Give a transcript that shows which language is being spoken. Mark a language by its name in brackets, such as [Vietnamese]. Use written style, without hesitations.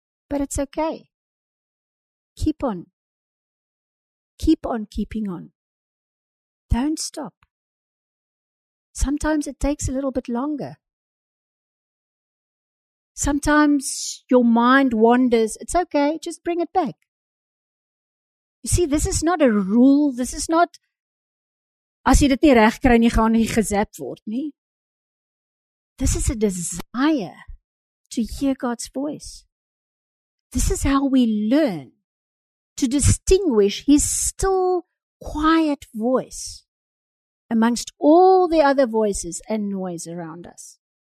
[English] But it's okay. Keep on. Keep on keeping on. Don't stop. Sometimes it takes a little bit longer. Sometimes your mind wanders. It's okay. Just bring it back. You see, this is not a rule. This is not, [Afrikaans] as jy dit nie reg kry nie, gaan jy gezap word nie. [English] This is a desire to hear God's voice. This is how we learn to distinguish His still, quiet voice amongst all the other voices and noise around us.